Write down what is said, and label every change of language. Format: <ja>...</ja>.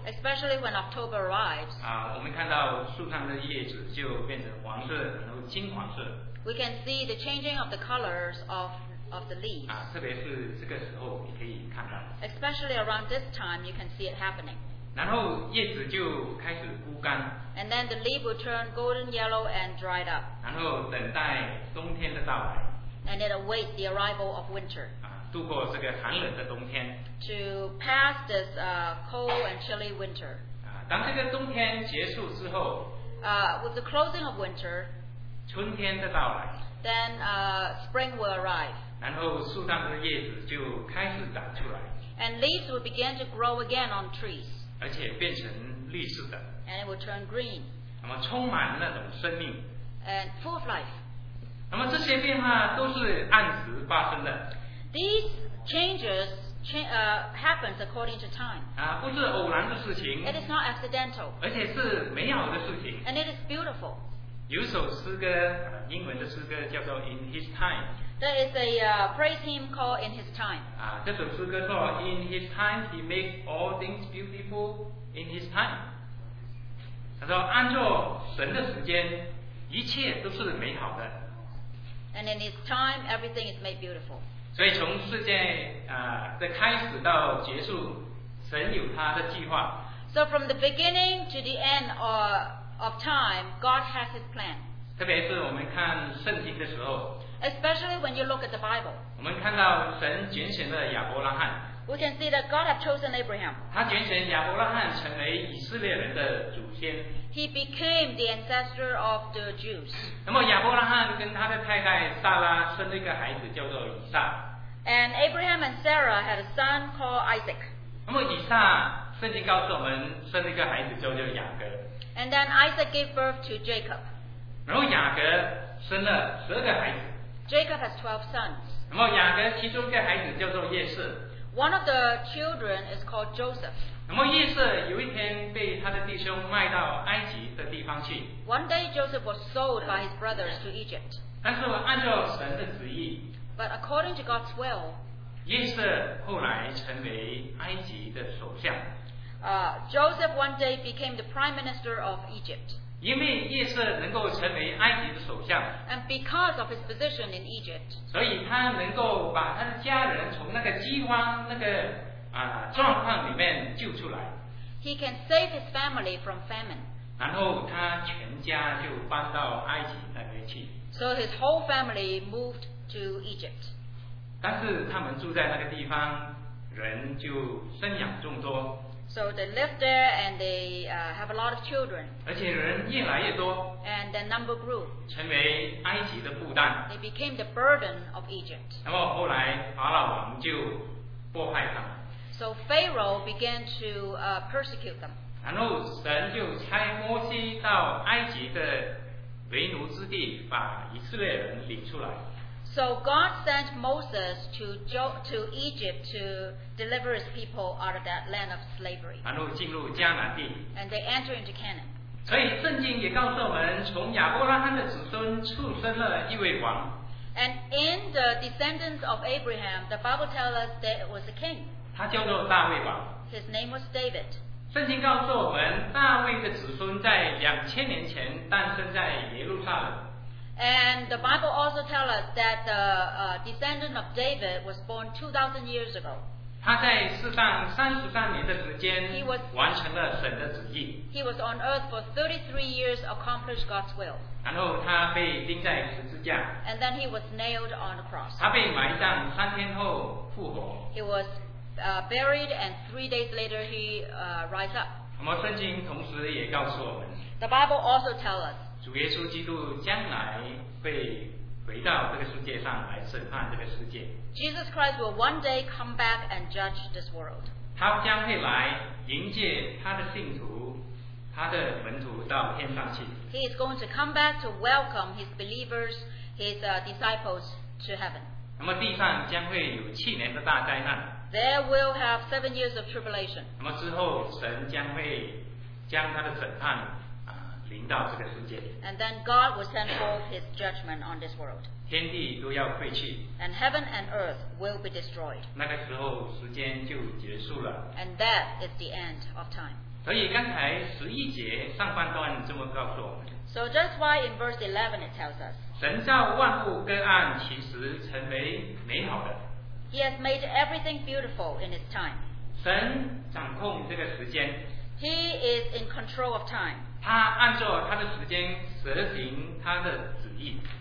<en>Especially when October arrives.</en> <zh>啊，我们看到树上的叶子就变成黄色，然后金黄色。</zh> <en>We can see the changing of the colors of the leaves.</en> <zh>啊，特别是这个时候你可以看到。</zh> <en>Especially around this time, you can see it happening.</en> <zh>然后叶子就开始枯干。</zh> <en>And then the leaf will turn golden yellow and dried up.</en> <zh>然后等待冬天的到来。</zh> <en>And it awaits the arrival of winter.</en> <zh>啊，度过这个寒冷的冬天。</zh> <en>To pass this cold and chilly winter.</en> <zh>啊，当这个冬天结束之后。</zh> <en>With the closing of winter.</en> <zh>春天的到来。</zh> <en>Then spring will arrive.</en> <zh>然后树上的叶子就开始长出来。</zh> <en>And leaves will begin to grow again on trees.</en> <zh>而且变成绿色的。</zh> <en>And it will turn green.</en> <zh>那么充满那种生命。</zh> <en>And full of life.</en> <zh>那么这些变化都是按时发生的。</zh> <en>These changes happens according to time.</en> <zh>啊，不是偶然的事情。</zh> <en>It is not accidental.</en> <zh>而且是美好的事情。</zh> <en>And it is beautiful.</en> <zh>有一首诗歌，英文的诗歌叫做 In His Time.</zh> <en>There is a praise hymn called In His Time.</en> <zh>啊，这首诗歌说</zh> <en>In His Time He makes all things beautiful in His Time.</en> <zh>他说按照神的时间，一切都是美好的。</zh> <en>And in his time, everything is made beautiful.</en> <zh>所以从世界的开始到结束，神有他的计划。</zh> <en>So from the beginning to the end of time, God has his plan.</en> <zh>特别是我们看圣经的时候。</zh> <en>Especially when you look at the Bible.</en> <zh>我们看到神拣选了亚伯拉罕。</zh> <en>We can see that God has chosen Abraham.</en> <zh>他拣选亚伯拉罕成为以色列人的祖先。</zh> <en>He became the ancestor of the Jews.</en> <zh>那么亚伯拉罕跟他的太太萨拉生了一个孩子叫做以撒。</zh> <en>And Abraham and Sarah had a son called Isaac.</en> <zh>那么以撒圣经告诉我们生了一个孩子叫做雅各。</zh> <en>And then Isaac gave birth to Jacob.</en> <zh>然后雅各生了12个孩子。</zh> <en>Jacob has 12 sons.</en> <zh>那么雅各其中一个孩子叫做叶瑟。</zh> <en>One of the children is called Joseph.</en> <zh>那么叶瑟有一天被他的弟兄卖到埃及的地方去。</zh> <en>One day Joseph was sold by his brothers to Egypt.</en> <zh>但是按照神的旨意。</zh> <en>But according to God's will.</en> <zh>叶瑟后来成为埃及的首相。</zh> <en>Joseph one day became the prime minister of Egypt.</en> <zh>因为叶瑟能够成为埃及的首相。</zh> <en>And because of his position in Egypt.</en> <zh>所以他能够把他的家人从那个饥荒那个状况里面救出来。</zh> <en>He can save his family from famine.</en> <zh>然后他全家就搬到埃及那边去。</zh> <en>So his whole family moved to Egypt.</en> <zh>但是他们住在那个地方，人就生养众多。</zh> <en>So they live there and they have a lot of children.</en> <zh>而且人越来越多。</zh> <en>And their number grew.</en> <zh>成为埃及的负担。</zh> <en>They became the burden of Egypt.</en> <zh>那么后来法老王就迫害他们。</zh> <en>So Pharaoh began to persecute them.</en> <zh>然后神就差摩西到埃及的为奴之地，把以色列人领出来。</zh> <en>So God sent Moses to Egypt to deliver his people out of that land of slavery. And they enter into Canaan.</en> <zh>所以圣经也告诉我们，从亚伯拉罕的子孙出生了一位王。</zh> <en>And in the descendants of Abraham, the Bible tells us that it was a king.</en> <zh>他叫做大卫王。</zh> <en>His name was David.</en> <zh>圣经告诉我们，大卫的子孙在2000年前诞生在耶路撒冷。</zh> <en>And the Bible also tells us that the descendant of David was born 2,000 years ago.</en> <zh>他在世上33年的时间完成了神的旨意。</zh> <en>He was on earth for 33 years, accomplished God's will.</en> <zh>然后他被钉在十字架。</zh> <en>And then he was nailed on a cross.</en> <zh>他被埋葬，三天后复活。</zh> <en>He was buried and 3 days later he rise up.</en> <zh>那么圣经同时也告诉我们。</zh> <en>The Bible also tells us.</en> <zh>主耶稣基督将来被回到这个世界上来审判这个世界。</zh> <en>Jesus Christ will one day come back and judge this world.</en> <zh>他将会来迎接他的信徒，他的门徒到天上去。</zh> <en>He is going to come back to welcome his believers, his disciples to heaven.</en> <zh>那么地上将会有七年的大灾难。</zh> <en>There will have 7 years of tribulation.</en> <zh>那么之后神将会将他的审判临到这个世界。</zh> <en>And then God will send forth his judgment on this world.</en> <zh>天地都要废弃。</zh> <en>And heaven and earth will be destroyed.</en> <zh>那个时候时间就结束了。</zh> <en>And that is the end of time.</en> <zh>所以刚才十一节上半段这么告诉我们。</zh> <en>So that's why in verse 11 it tells us.</en> <zh>神造万物各按其时成为美好的。</zh> <en>He has made everything beautiful in his time.</en> <zh>神掌控这个时间。</zh> <en>He is in control of time.</en> <zh>他按照他的时间实行他的旨意。</zh>